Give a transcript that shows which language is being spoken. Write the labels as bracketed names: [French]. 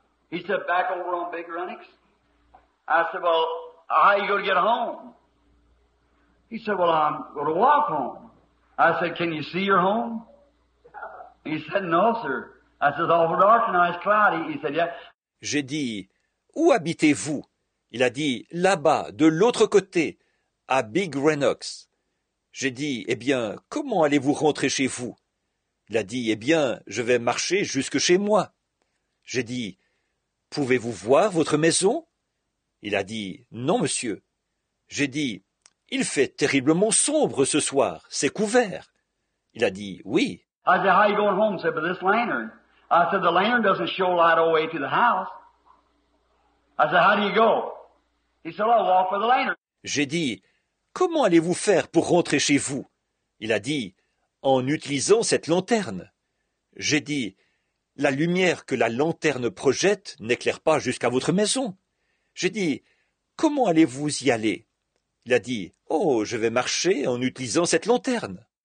[English] He said, back over on Big Runnix. I said, well, how are you going to get home? He said, well, I'm going to walk home. I said, can you see your home? He said, no, sir. I said, it's awful dark tonight, it's cloudy. He said, yeah. [French] J'ai dit, où habitez-vous? Il a dit, là-bas, de l'autre côté, à Big Runnix. J'ai dit, eh bien, comment allez-vous rentrer chez vous? Il a dit, eh bien, je vais marcher jusque chez moi. J'ai dit, pouvez-vous voir votre maison? Il a dit, non, monsieur. J'ai dit, il fait terriblement sombre ce soir, c'est couvert. Il a dit, oui. [English] I said, how are you going home? He said, with this lantern. I said, the lantern doesn't show light all the way to the house. I said, how do you go? He said, I'll walk with the lantern. [French] J'ai dit, comment allez-vous faire pour rentrer chez vous? Il a dit, en utilisant cette lanterne. J'ai dit, la lumière que la lanterne projette n'éclaire pas jusqu'à votre maison. J'ai dit, comment allez-vous y aller? Il a dit, oh, je vais marcher en utilisant cette lanterne.